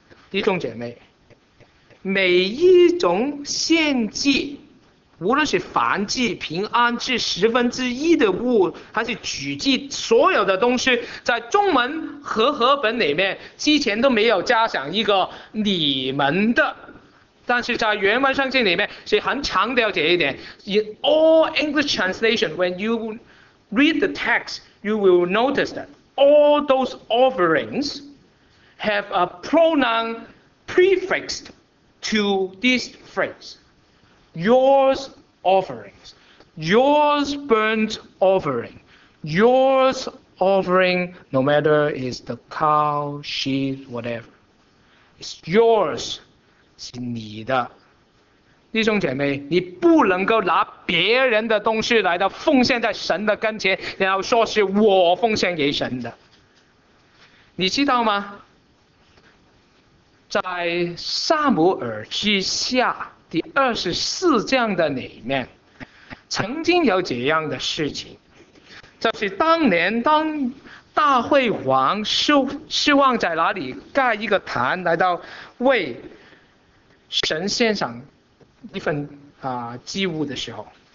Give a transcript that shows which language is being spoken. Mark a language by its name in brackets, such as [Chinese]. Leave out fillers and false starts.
[Chinese] 弟兄姐妹，每一种献祭，无论是燔祭、平安祭、十分之一的物，还是举祭，所有的东西，在中文和合本里面之前都没有加上一个你们的，但是在原文圣经里面是很强调这一点。 [English] In all English translation, when you read the text, you will notice that all those offerings have a pronoun prefixed to this phrase. Yours offerings, yours burnt offering, yours offering, no matter is the cow, sheep, whatever, it's yours, [Chinese] 是你的。弟兄姐妹，你不能够拿别人的东西来的奉献在神的跟前，然后说是我奉献给神的。你知道吗？在撒母耳之下第二十四章的里面，曾经有这样的事情，就是当年当大卫王失望在哪里盖一个坛，来到为神献上一份祭物的时候，